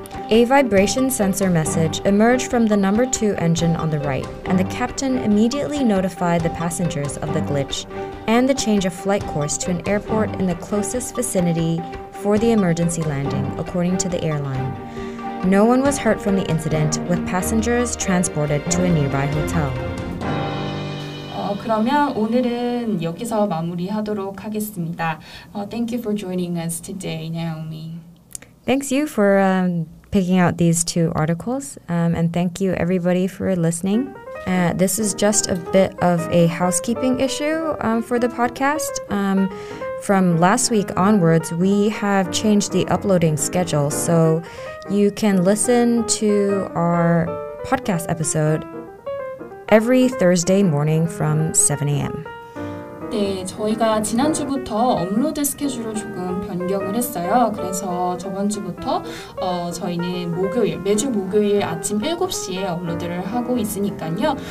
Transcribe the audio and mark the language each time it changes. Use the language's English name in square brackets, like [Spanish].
[English] A vibration sensor message emerged from the number 2 engine on the right, and the captain immediately notified the passengers of the glitch and the change of flight course to an airport in the closest vicinity for the emergency landing, according to the airline. No one was hurt from the incident, with passengers transported to a nearby hotel. [Korean] 그러면 오늘은 여기서 마무리하도록 하겠습니다. [English] Thank you for joining us today, Naomi. Thanks you for picking out these two articles. And thank you everybody for listening. This is just a bit of a housekeeping issue for the podcast. From last week onwards, we have changed the uploading schedule. So you can listen to our podcast episode every Thursday morning from 7 a.m. [Korean] 네, 저희가 지난주부터 업로드 스케줄을 조금 변경을 했어요. 그래서 저번주부터 저희는 목요일, 매주 목요일 아침 7시에 업로드를 하고 있으니까요.